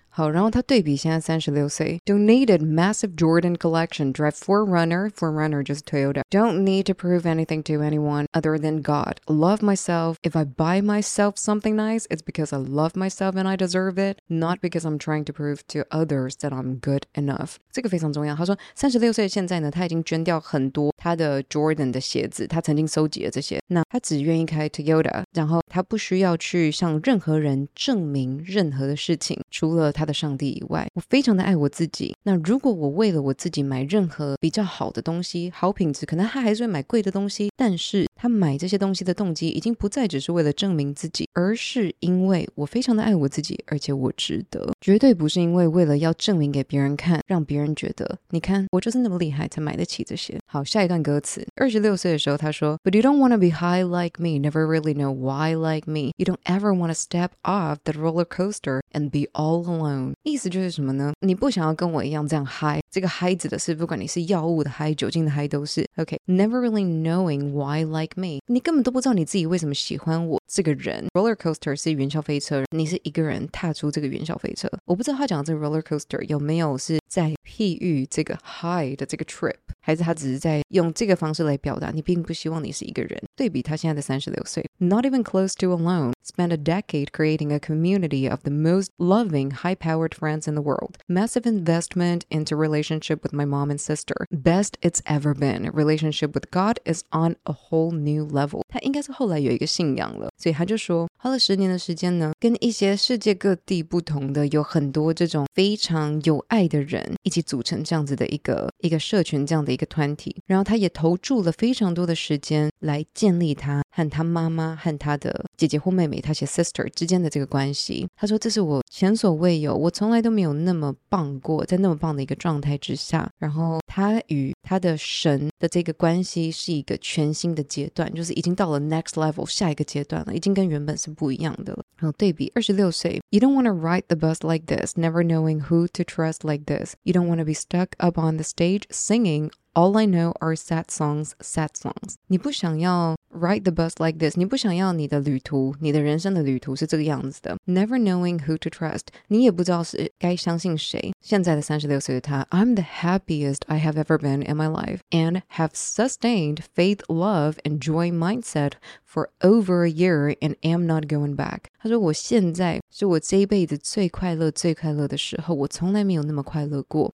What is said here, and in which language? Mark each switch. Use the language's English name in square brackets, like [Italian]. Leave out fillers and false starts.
[Chinese] 好，然后他对比现在36岁 [English] Donated massive Jordan collection, drive 4Runner, 4Runner [Chinese] 就是 [English] Toyota, don't need to prove anything to anyone other than God, love myself, if I buy myself something nice, it's because I love myself and I deserve it, not because I'm trying to prove to others that I'm good enough. [Chinese] 这个非常重要，他说36岁现在呢他已经捐掉很多他的 Jordan 的鞋子，他曾经收集了这些，那他只愿意开 Toyota, 然后他不需要去向任何人证明任何的事情，除了他的上帝以外，我非常的爱我自己。那如果我为了我自己买任何比较好的东西，好品质，可能他还是会买贵的东西，但是他买这些东西的动机已经不再只是为了证明自己，而是因为我非常的爱我自己，而且我值得，绝对不是因为为了要证明给别人看，让别人觉得你看我就是那么厉害才买得起这些。好，下一段歌词，26岁的时候他说 [English] But you don't want to be high like me, never really know why like me, you don't ever want to step off the roller coaster and be all alone. [Chinese] 意思就是什么呢，你不想要跟我一样这样 high, 这个 high 指的是不管你是药物的 high, 酒精的 high 都是 OK, [English] never really knowing why like me, [Chinese] 你根本都不知道你自己为什么喜欢我这个人。 Roller coaster 是云霄飞车，你是一个人踏出这个云霄飞车。我不知道他讲的这个 roller coaster 有没有是在譬喻这个 high 的这个 trip。还是他只是在用这个方式来表达你并不希望你是一个人。对比他现在的36岁。 [English] Not even close to alone. Spent a decade creating a community of the most loving, high-powered friends in the world. Massive investment into relationship with my mom and sister. Best it's ever been. Relationship with God is on a whole new level. [Chinese] 他应该是后来有一个信仰了。所以他就说花了10年的时间呢跟一些世界各地不同的有很多这种非常有爱的人一起组成这样子的一个社群这样的一个团体。然后他也投注了非常多的时间来建立他和他妈妈和他的姐姐或妹妹他写 sister 之间的这个关系。他说这是我前所未有我从来都没有那么棒过在那么棒的一个状态之下。然后他与他的神的这个关系是一个全新的阶段就是已经到了 next level 下一个阶段了已经跟原本是不一样的了。然后对比26岁 [English] You don't want to ride the bus like this never knowing who to trust like this You don't want to be stuck up on the stage singingAll I know are sad songs, sad songs. [Chinese] 你不想要 [English] ride the bus like this. [Chinese] 你不想要你的旅途，你的人生的旅途是这个样子的。 [English] Never knowing who to trust. [Chinese] 你也不知道是该相信谁。现在的36岁的他 [English] I'm the happiest I have ever been in my life and have sustained faith, love, and joy mindset for over a year and am not going back. [Chinese] 他说我现在是我这一辈子最快乐最快乐的时候我从来没有那么快乐过。